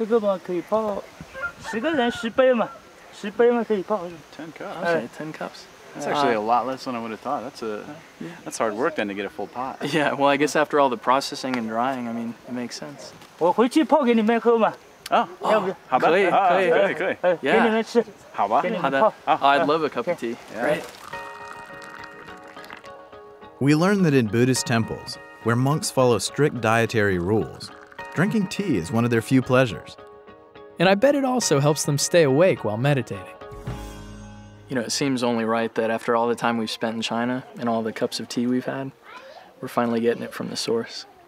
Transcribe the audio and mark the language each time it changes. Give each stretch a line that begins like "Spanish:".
Chinese: 那么多茶，泡多少杯茶？这个嘛，可以泡十个人十杯嘛。
English: 10 cups. That's actually a lot less than I would have thought. That's hard work then to get a full pot. Yeah, well, I guess after all the processing and drying, I mean, it makes sense.
Chinese: 我回去泡给你们喝嘛。好吧。可以。给你们吃。好吧。好的。
English: I'd love a cup of tea. Yeah. Great. We learned that in Buddhist temples, where monks follow strict dietary rules, drinking tea is one of their few pleasures. And I bet it also helps them stay awake while meditating. You know, it seems only right that after all the time we've spent in China and all the cups of tea we've had, we're finally getting it from the source.